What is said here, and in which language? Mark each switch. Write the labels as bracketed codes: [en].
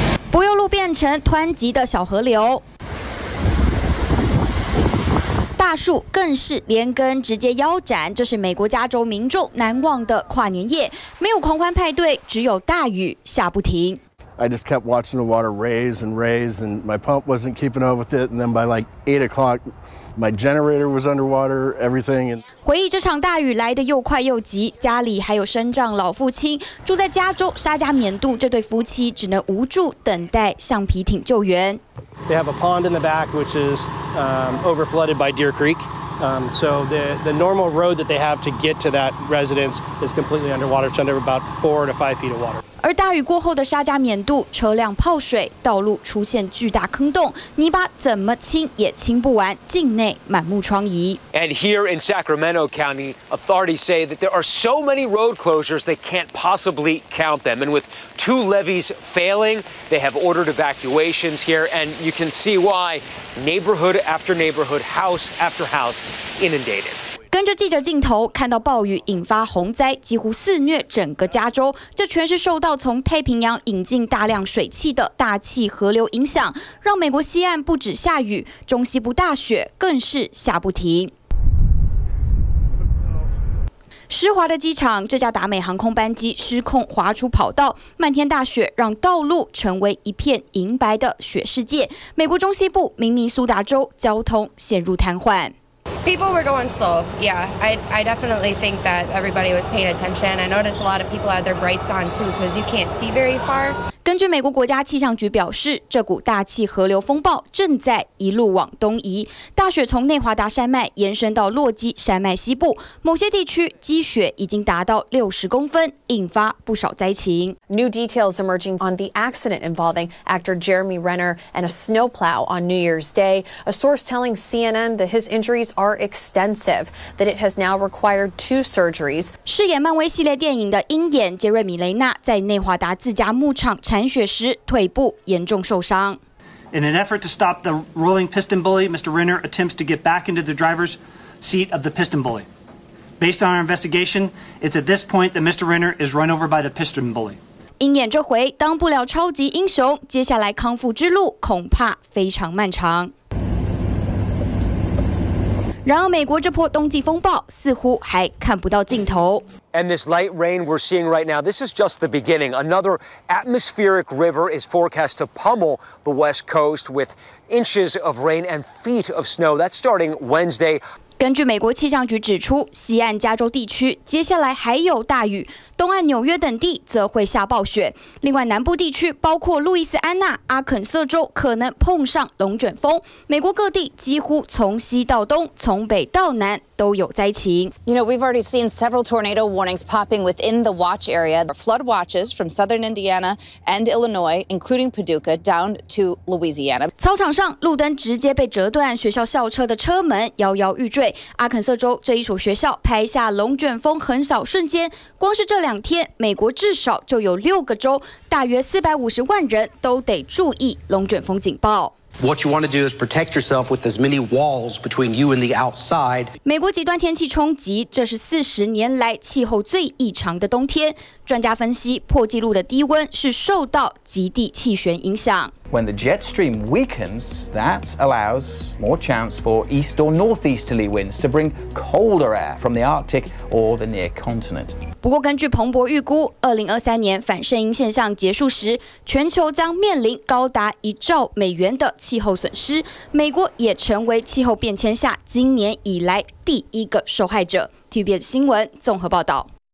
[zh] 柏油路变成湍急的小河流，大树更是连根直接腰斩。这是美国加州民众难忘的跨年夜，没有狂欢派对，只有大雨下不停。 [en] I just kept watching the water raise and raise, and my pump wasn't keeping up with it. And then by like 8 o'clock, my generator was underwater. Everything. [zh] 回忆这场大雨来得又快又急，家里还有身障老父亲，住在加州沙加缅度，这对夫妻只能无助等待橡皮艇救援。 [en] They have a pond in the back, which is over flooded by Deer Creek. So the normal road that they have to get to that residence is completely underwater. It's under about 4 to 5 feet of water. [zh] 而大雨过后的沙加缅度，车辆泡水，道路出现巨大坑洞，泥巴怎么清也清不完，境内满目疮痍。 [en] And here in Sacramento County, authorities say that there are so many road closures they can't possibly count them. And with two levees failing, they have ordered evacuations here. And you can see why, neighborhood after neighborhood, house after house, inundated. [zh] 跟着记者镜头看到暴雨引发洪灾，几乎肆虐整个加州，这全是受到从太平洋引进大量水汽的大气河流影响，让美国西岸不止下雨，中西部大雪更是下不停。湿滑的机场，这架达美航空班机失控滑出跑道，漫天大雪让道路成为一片银白的雪世界，美国中西部明尼苏达州交通陷入瘫痪。 [en] People were going slow. Yeah, I definitely think that everybody was paying attention. I noticed a lot of people had their brights on too, because you can't see very far. [zh] 根据美国国家气象局表示，这股大气河流风暴正在一路往东移，大雪从内华达山脉延伸到落基山脉西部，某些地区积雪已经达到60公分，引发不少灾情。 [en] New details emerging on the accident involving actor Jeremy Renner and a snowplow on New Year's Day. A source telling CNN that his injuries are extensive, that it has now required 2 surgeries. [zh] 饰演漫威系列电影的鹰眼杰瑞米·雷纳在内华达自家牧场铲雪时腿部严重受伤。 [en] In an effort to stop the rolling piston bully, Mr. Renner attempts to get back into the driver's seat of the piston bully. Based on our investigation, it's at this point that Mr. Renner is run over by the piston bully. [zh] 鹰眼这回当不了超级英雄，接下来康复之路恐怕非常漫长。然而美国这波冬季风暴似乎还看不到尽头。 [en] And this light rain we're seeing right now, this is just the beginning. Another atmospheric river is forecast to pummel the west coast with inches of rain and feet of snow. That's starting Wednesday. [zh] 根据美国气象局指出，西岸加州地区接下来还有大雨，东岸纽约等地则会下暴雪。另外，南部地区包括路易斯安那、阿肯色州可能碰上龙卷风。美国各地几乎从西到东，从北到南。 [en] You know, we've already seen several tornado warnings popping within the watch area. Flood watches from southern Indiana and Illinois, including Paducah, down to Louisiana. [zh] 操场上，路灯直接被折断，学校校车的车门摇摇欲坠。阿肯色州这一所学校拍下龙卷风横扫瞬间，光是这两天，美国至少就有六个州，大约450万人都得注意龙卷风警报。 [en] What you want to do is protect yourself with as many walls between you and the outside. [zh] 美国极端天气冲击，这是40年来气候最异常的冬天。专家分析，破纪录的低温是受到极地气旋影响。 [en] When the jet stream weakens, that allows more chance for east or northeasterly winds to bring colder air from the Arctic or the near continent. [zh] 不过，根据彭博预估，2023年反声音现象结束时，全球将面临高达$1兆的气候损失。美国也成为气候变迁下今年以来第一个受害者。 TVBS 新闻综合报道。